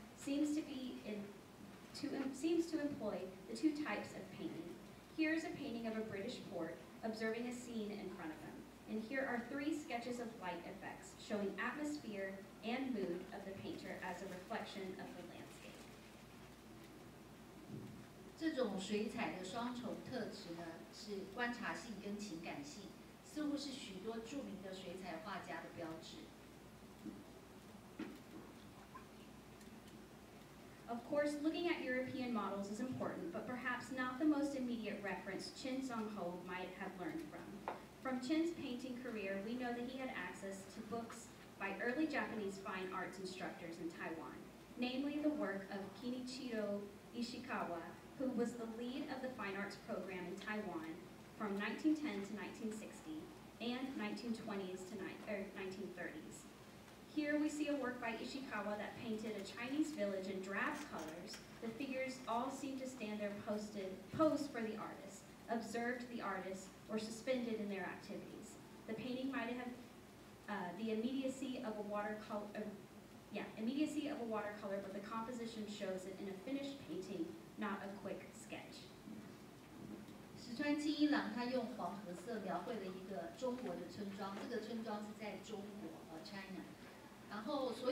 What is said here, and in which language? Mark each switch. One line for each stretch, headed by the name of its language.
English: Seems to employ the two types of painting. Here is a painting of a British port observing a scene in front of him. And here are three sketches of light effects showing atmosphere and mood of the painter as a reflection of the landscape.
Chinese: 这种水彩的双重特质呢，是观察性跟情感性，似乎是许多著名的水彩画家的标志。
English: Of course, looking at European models is important, but perhaps not the most immediate reference Chin Song Ho might have learned from. From Chin's painting career, we know that he had access to books by by early Japanese fine arts instructors in Taiwan, namely the work of Kenichiro Ishikawa, who was the lead of the fine arts program in Taiwan from 1910 to 1960 and 1920s to 1930s. Here we see a work by Ishikawa that painted a Chinese village in drab colors. The figures all seem to stand there posed for the artist, observed the artist, or suspended in their activities. The painting might have immediacy of a watercolor, but the composition shows it in a finished painting, not a quick sketch.
Chinese: 石川纪一郎他用黄褐色描绘了一个中国的村庄，这个村庄是在中国，China。